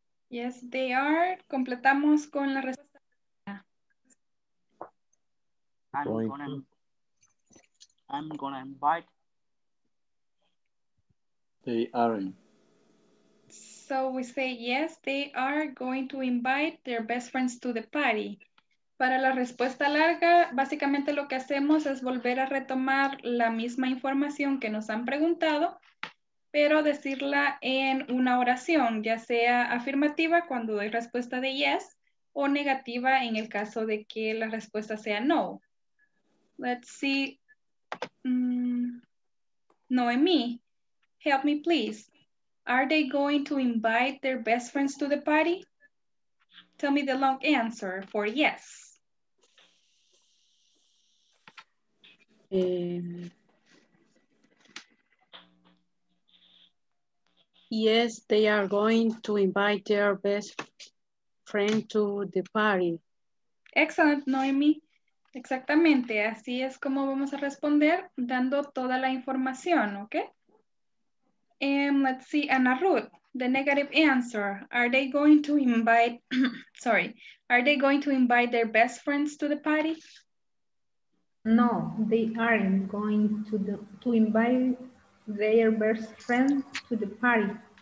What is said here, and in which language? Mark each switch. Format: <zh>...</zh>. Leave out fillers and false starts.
<en>Yes, they are.</en> <es>Completamos con la respuesta.</es> <en>I'm gonna invite. They aren't. So we say, yes, they are going to invite their best friends to the party.</en> <es>Para la respuesta larga, básicamente lo que hacemos es volver a retomar la misma información que nos han preguntado, pero decirla en una oración, ya sea afirmativa cuando doy respuesta de yes, o negativa en el caso de que la respuesta sea no.</es> <en>Let's see. Noemi, help me please. Are they going to invite their best friends to the party? Tell me the long answer for yes. Yes, they are going to invite their best friend to the party. Excellent, Noemi.</en> <es>Exactamente, así es como vamos a responder, dando toda la información, okay?</es> <en>Let's see, Ana Ruth, the negative answer. Are they going to invite, sorry, are they going to invite their best friends to the party? No, they aren't going to invite their best friend to the party.</en>